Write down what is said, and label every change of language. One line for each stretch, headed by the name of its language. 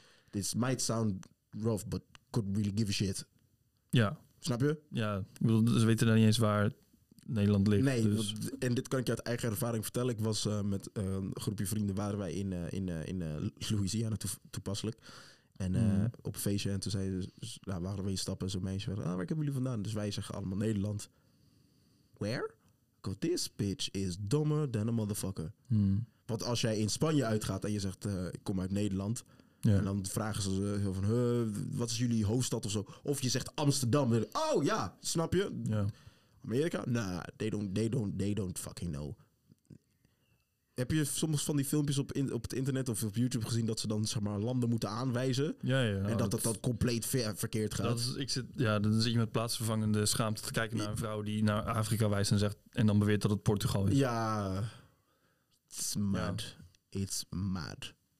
English: This might sound rough, but could really give a shit.
Dutch: Ja. Snap je? Ja, ik bedoel, ze weten dan niet eens waar Nederland ligt. Nee, dus. En dit kan ik je uit eigen ervaring vertellen. Ik was met een groepje vrienden, waren wij in Louisiana toepasselijk. En op een feestje. En toen zeiden ze, waren we in stappen? En zo'n meisje zei, waar hebben jullie vandaan? Dus wij zeggen allemaal Nederland.
English: Where? Because this bitch is dumber than a motherfucker. Hmm.
Dutch: Want als jij in Spanje uitgaat en je zegt, ik kom uit Nederland... Ja. En dan vragen ze heel van, wat is jullie hoofdstad of zo? Of je zegt Amsterdam. Oh ja, snap je? Ja. Amerika?
English: Nah, they don't fucking know.
Dutch: Heb je soms van die filmpjes op het internet of op YouTube gezien dat ze dan, zeg maar, landen moeten aanwijzen? Ja, ja. En dat compleet verkeerd gaat. Dan zit je met plaatsvervangende schaamte te kijken naar een vrouw die naar Afrika wijst en zegt en dan beweert dat het Portugal is.
English: Ja. It's mad. Ja. It's mad.